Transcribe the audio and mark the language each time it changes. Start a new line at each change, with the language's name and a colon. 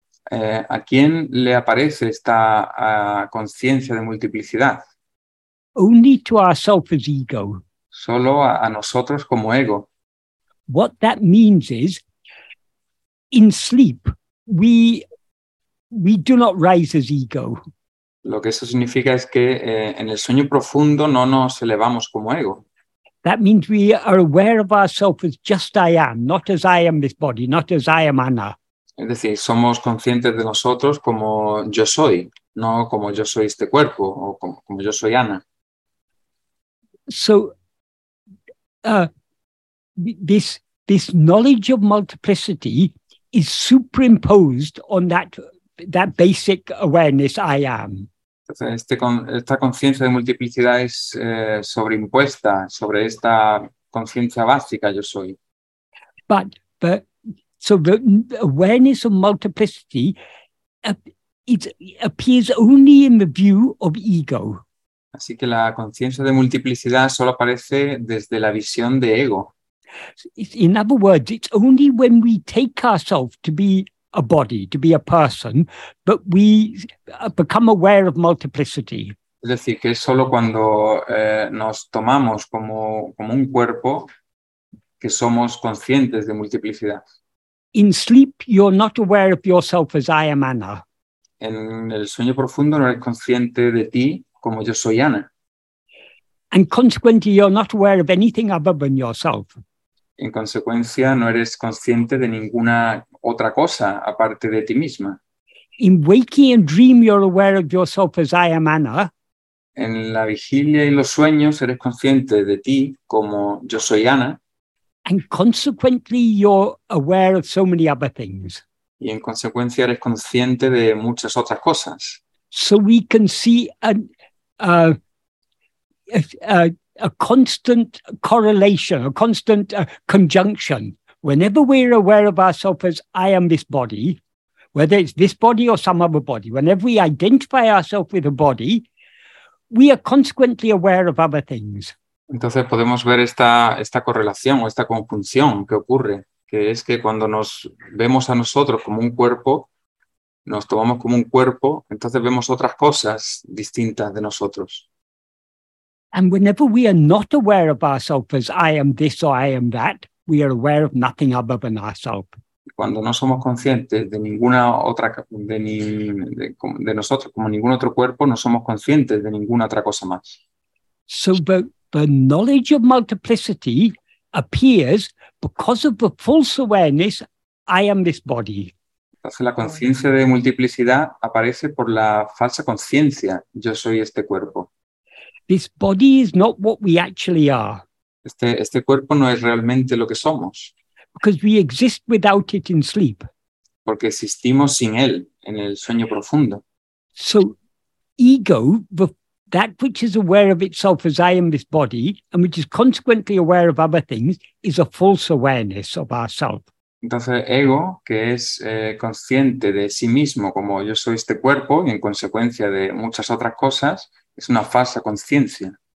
Spanish: ¿A quién le aparece esta conciencia de multiplicidad?
English: Only to ourselves as ego.
Spanish: Solo a nosotros como ego.
English: What that means is, in sleep, we do not rise as ego.
Spanish: Lo que eso significa es que en el sueño profundo no nos elevamos como ego.
English: That means we are aware of ourselves as just I am, not as I am this body, not as I am Anna.
Spanish: Es decir, somos conscientes de nosotros como yo soy, no como yo soy este cuerpo o como yo soy Anna.
English: So this knowledge of multiplicity is superimposed on that basic awareness I am.
Spanish: Entonces, esta conciencia de multiplicidad es sobreimpuesta sobre esta conciencia básica yo soy.
English: But so the awareness of multiplicity it appears only in the view of ego.
Spanish: Así que la conciencia de multiplicidad solo aparece desde la visión de ego.
English: In other words, it's only when we take ourselves to be a body, to be a person, but we become aware of multiplicity.
Spanish: Es decir, que es solo cuando nos tomamos como un cuerpo que somos conscientes de multiplicidad.
English: In sleep, you're not aware of yourself as I am Anna.
Spanish: En el sueño profundo no eres consciente de ti como yo soy Anna.
English: And consequently, you're not aware of anything other than yourself.
Spanish: En consecuencia, no eres consciente de ninguna otra cosa aparte de ti misma.
English: In waking and dream, you're aware of yourself as I am Anna.
Spanish: En la vigilia y los sueños, eres consciente de ti como yo soy Anna.
English: And consequently, you're aware of so many other things.
Spanish: Y en consecuencia, eres consciente de muchas otras cosas.
English: So we can see a constant correlation, a constant conjunction. Whenever we're aware of ourselves as I am this body, whether it's this body or some other body, whenever we identify ourselves with a body, we are consequently aware of other things.
Spanish: Entonces podemos ver esta correlación o esta conjunción que ocurre, que es que cuando nos vemos a nosotros como un cuerpo, nos tomamos como un cuerpo, entonces vemos otras cosas distintas de nosotros.
English: And whenever we are not aware of ourselves as I am this or I am that, we are aware of nothing other than ourselves.
Spanish: Cuando no somos conscientes de ninguna otra de nosotros como ningún otro cuerpo, no somos conscientes de ninguna otra cosa más.
English: So the knowledge of multiplicity appears because of the false awareness I am this body.
Spanish: Entonces la conciencia de multiplicidad aparece por la falsa conciencia yo soy este cuerpo.
English: This body is not what we actually are.
Spanish: Este cuerpo no es realmente lo que somos.
English: Because we exist without it in sleep.
Spanish: Porque existimos sin él en el sueño profundo.
English: So, ego, that which is aware of itself as I am this body, and which is consequently aware of other things, is a false awareness of ourself.
Spanish: Entonces, ego, que es consciente de sí mismo, como yo soy este cuerpo, y en consecuencia de muchas otras cosas, es una falsa conciencia.